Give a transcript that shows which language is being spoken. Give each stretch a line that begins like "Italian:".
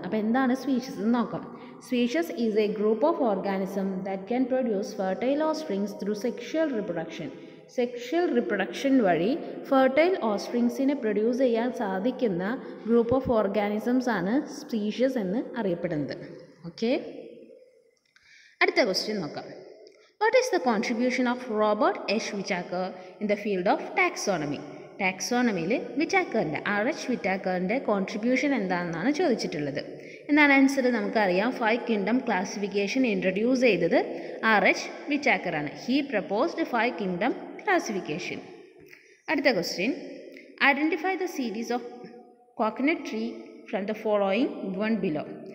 Malayalam: അപ്പോൾ എന്താണ് സ്പീഷ്യസ് എന്ന് നോക്കാം.
English: Species is a group of organism that can produce fertile offsprings through sexual reproduction.
Malayalam: Sexual reproduction വഴി fertile ഓസ്പ്രിങ്സിനെ produce ചെയ്യാൻ സാധിക്കുന്ന ഗ്രൂപ്പ് ഓഫ് ഓർഗാനിസംസ് ആണ് സ്പീഷ്യസ് എന്ന് അറിയപ്പെടുന്നത്. ഓക്കെ, അടുത്ത ക്വസ്റ്റ്യൻ നോക്കാം.
English: What is the contribution of Robert H. Whittaker in the field of taxonomy?
Malayalam: ടാക്സോണമിയിൽ വിറ്റാക്കറിൻ്റെ RH വിറ്റാക്കറിൻ്റെ contribution എന്താണെന്നാണ് ചോദിച്ചിട്ടുള്ളത്. എന്താണ് ആൻസർ? നമുക്കറിയാം, ഫൈവ് കിങ്ഡം ക്ലാസിഫിക്കേഷൻ ഇൻട്രൊഡ്യൂസ് ചെയ്തത് RH വിറ്റാക്കറാണ്.
English: He proposed five kingdom classification.
Malayalam: അടുത്ത question,
English: Identify the series of coconut tree from the following one below.